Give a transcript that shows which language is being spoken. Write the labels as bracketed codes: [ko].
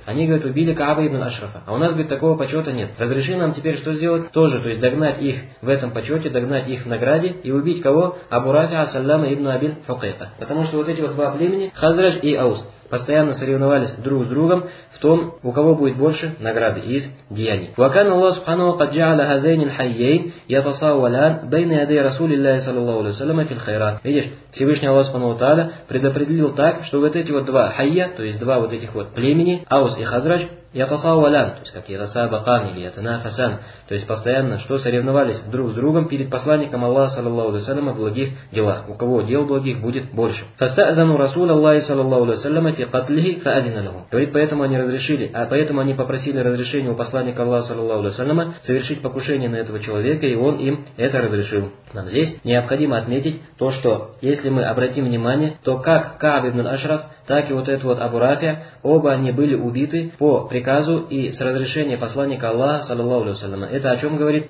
[ru] Они, говорят, убили Каабу ибн Ашрафа. А у нас, говорит, такого почета нет. Разреши нам теперь что сделать? Тоже, то есть догнать их в этом почете, догнать их в награде и убить кого? Абу Рафиу Саляму ибн Абиль Хукайку. Потому что вот эти вот два племени, Хазрадж и Аус, постоянно соревновались друг с другом в том, у кого будет больше награды из деяний. [ar] وكان الله سبحانه قد جعل هذين الحيين يتصاولان بين يدي رسول الله صلى الله عليه وسلم في الخيرات. [ru] Видишь, Всевышний Аллах Субхану Тааля предопределил так, что вот эти вот два хайя, то есть два вот этих вот племени, Аус и Хазрадж, يتصاولان, то есть как يتصابقان или يتنافسان, то есть постоянно что соревновались друг с другом перед посланником Аллаха саллаллаху алейхи ва саллям в благих делах. У кого дел благих будет больше. [ar] فاستأذن رسول الله صلى الله عليه وسلم في قتله فأذن له. [ru] Говорит, поэтому они разрешили, а поэтому они попросили разрешения у посланника Аллаха саллаллаху алейхи ва саллям совершить покушение на этого человека, и он им это разрешил. Нам здесь необходимо отметить то, что если мы обратим внимание, то как Каб ибн Ашраф, так и вот этот вот Абу Рафия, оба они были убиты по приказу и с разрешения посланника Аллаха, саллаллаху алейхи ва саллям. Это о чем говорит?